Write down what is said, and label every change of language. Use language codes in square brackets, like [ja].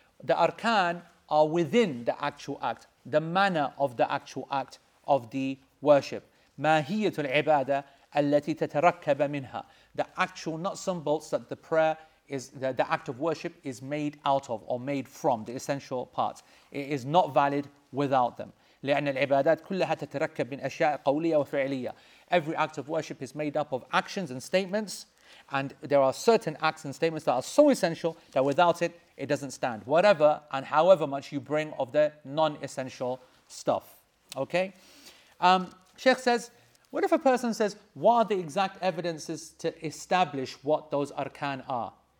[en] The arkan are within the actual act, the manner of the actual act of the worship. [ar] Mahiyatul ibadah allati tatarakkaba minha. [en] The actual nuts and bolts that the prayer is, the act of worship is made out of or made from, the essential parts. It is not valid without them. [ar] لأن العبادات كلها تتركب من أشياء قولية وفعلية. [en] Every act of worship is made up of actions and statements, and there are certain acts and statements that are so essential that without it, it doesn't stand. Whatever and however much you bring of the non-essential stuff. Okay? Sheikh says, what if a person says, what are the exact evidences to establish what those arkan are?